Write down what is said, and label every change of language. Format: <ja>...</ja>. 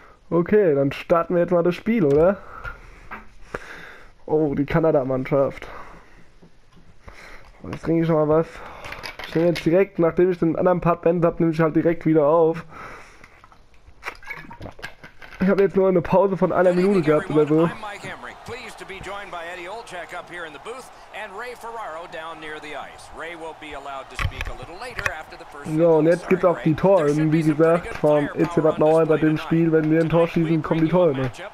<de>Okay, dann starten wir jetzt mal das Spiel, oder? Oh, die Kanada-Mannschaft. Jetzt trinke ich schon mal was. Ich nehme jetzt direkt, nachdem ich den anderen Part beendet habe, nehme ich halt direkt wieder auf. Ich habe jetzt nur eine Pause von einer Minute gehabt oder so.</de> <en>Pleased to be joined by Eddie Olczyk up here in the booth and Ray Ferraro down near the ice. Ray will be allowed to speak a little later after the first.</en> <de>So, und jetzt gibt's auch die Tore, wie gesagt, von EC Bad Nauheim bei dem Spiel. Wenn wir ein Tor schießen, kommen die Tore.</de>